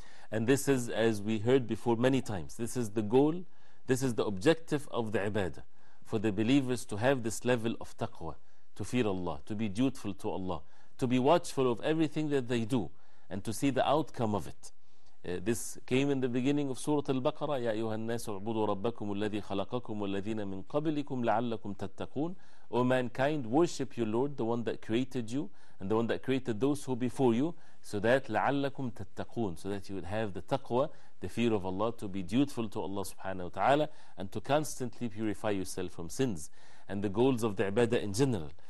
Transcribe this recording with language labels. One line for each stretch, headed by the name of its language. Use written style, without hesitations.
English: And this is, as we heard before many times, this is the goal, this is the objective of the ibadah, for the believers to have this level of taqwa, to fear Allah, to be dutiful to Allah, to be watchful of everything that they do, and to see the outcome of it. This came in the beginning of Surah Al-Baqarah,
Arabic: يَا أَيُّهَا النَّاسُ اعْبُدُوا رَبَّكُمُ الَّذِي خَلَقَكُمُ وَالَّذِينَ مِنْ قَبْلِكُمْ لَعَلَّكُمْ تَتَّقُونَ.
English: O mankind, worship your Lord, the one that created you and the one that created those who before you, so that
Arabic: لَعَلَّكُمْ تَتَّقُونَ,
English: so that you would have the taqwa, the fear of Allah, to be dutiful to Allah subhanahu wa ta'ala, and to constantly purify yourself from sins, and the goals of the ibadah in general.